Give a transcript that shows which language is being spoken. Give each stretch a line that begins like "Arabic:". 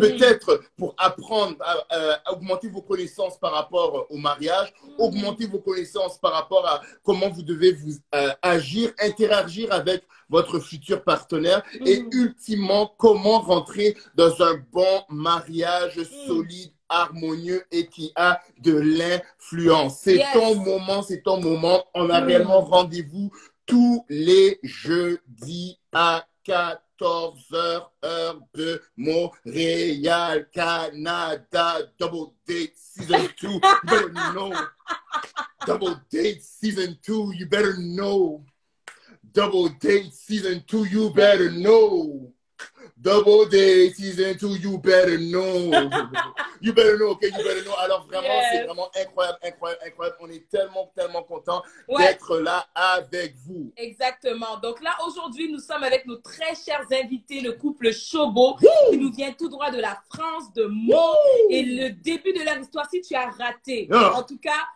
French: Peut-être pour apprendre à augmenter vos connaissances par rapport au mariage, augmenter vos connaissances par rapport à comment vous devez vous agir, interagir avec votre futur partenaire et ultimement, comment rentrer dans un bon mariage solide, harmonieux et qui a de l'influence. C'est ton moment. On a réellement rendez-vous tous les jeudis à 14h, heure de Montréal, Canada,
English: Double Date Season 2, you better know. Double Date Season 2, you better know. Double Date Season 2, you better know. Double Day, Season 2, you better know. You better know, okay, you better know.
French: Alors vraiment, yes. C'est vraiment incroyable, incroyable, incroyable. On est tellement, tellement contents d'être là avec vous. Exactement. Donc là, aujourd'hui, nous sommes avec nos très chers invités, le couple Chobo, qui nous vient tout droit de la France, de Meaux. Et le début de leur histoire, si tu as raté, en tout cas...